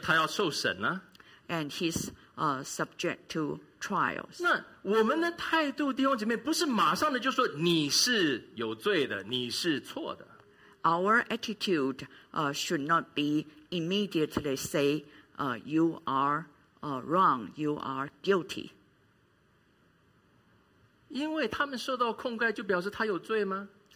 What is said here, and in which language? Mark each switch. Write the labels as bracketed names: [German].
[Chinese] 他要受审呢。 [English] And he's subject to trials. [Chinese] 那我们的态度，弟兄姐妹，不是马上的就说你是有罪的，你是错的。 [English] Our attitude should not be immediately say you are wrong, you are guilty. [Chinese] 因为他们受到控告就表示他有罪吗？